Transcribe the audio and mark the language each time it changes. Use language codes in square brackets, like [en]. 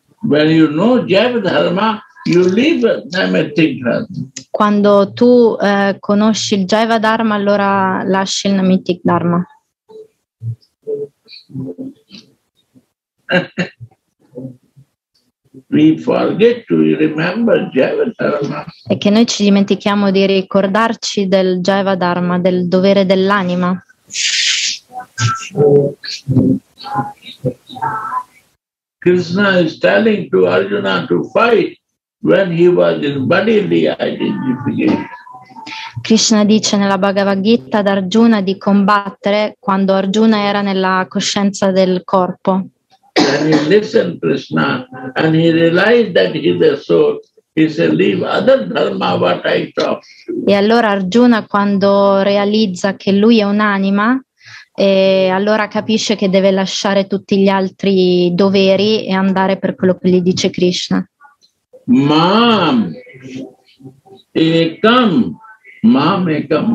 [en] When you know jiva dharma, you leave nematic dharma. [it] Quando tu conosci il jiva dharma, allora lasci il nematic dharma. [en] Okay. we forget to remember Jiva Dharma. [it] E che noi ci dimentichiamo di ricordarci del Jiva Dharma, del dovere dell'anima. [en] Krishna is telling to Arjuna to fight when he was in bodily identification. [it] Krishna dice nella Bhagavad Gita ad Arjuna di combattere quando Arjuna era nella coscienza del corpo. [en] And he listened to Krishna and he realized that he's a soul. He said, leave other dharma what I talk. [it] E allora Arjuna, quando realizza che lui è un'anima, e allora capisce che deve lasciare tutti gli altri doveri e andare per quello che gli dice Krishna. Mam, ekam. Mam ekam.